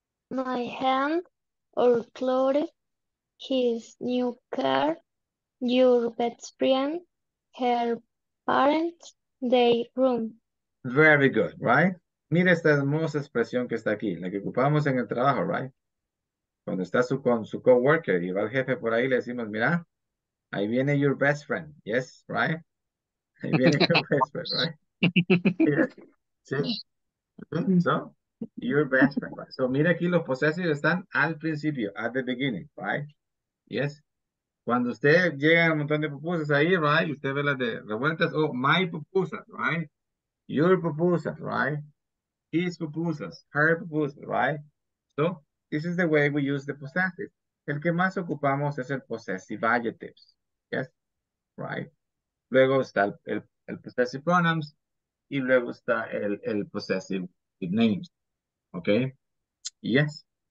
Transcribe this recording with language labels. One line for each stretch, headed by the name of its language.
English: My hand or clothes, his new car, your best friend, her parents, their room. Very good, right?
Spanish: Mira esta hermosa expresión que está aquí, la que ocupamos en el trabajo, right? Cuando está con su coworker y va el jefe por ahí, le decimos, mira, ahí viene
English: your best friend, yes, right?
Spanish: Ahí viene
English: your best friend, right? Yeah.
Spanish: Sí.
English: So, your best friend, right? So,
Spanish: mira aquí los posesivos están al principio,
English: at the beginning, right? Yes.
Spanish: Cuando usted llega a un montón de pupusas ahí, right? Usted ve las de revueltas,
English: oh, my pupusas, right?
Spanish: Your pupusas, right?
English: His pupusas, her pupusas, right? So, this is the way we use the possessive.
Spanish: El que más ocupamos es el possessive adjectives.
English: Yes? Right?
Spanish: Luego está el possessive pronouns. Y luego está el possessive names.
English: Okay? Yes?